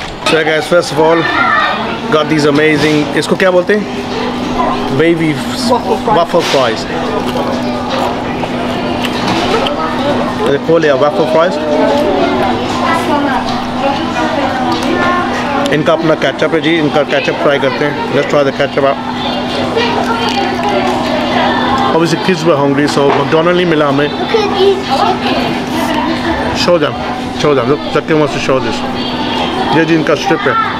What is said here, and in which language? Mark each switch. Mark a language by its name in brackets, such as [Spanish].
[English] So guys, first of all, got these amazing. [Hindi] इसको क्या बोलते हैं? [English] Wavy waffle fries. They call it a waffle fries. [Hindi] इनका अपना ketchup है जी, इनका ketchup fry करते हैं. [English] Let's try the ketchup out. Obviously, kids were hungry, so McDonald's [Hindi] ही मिला हमें. [English] Show them, look, Jackie wants to show this. [Hindi] ये जी इनका स्ट्रिप है.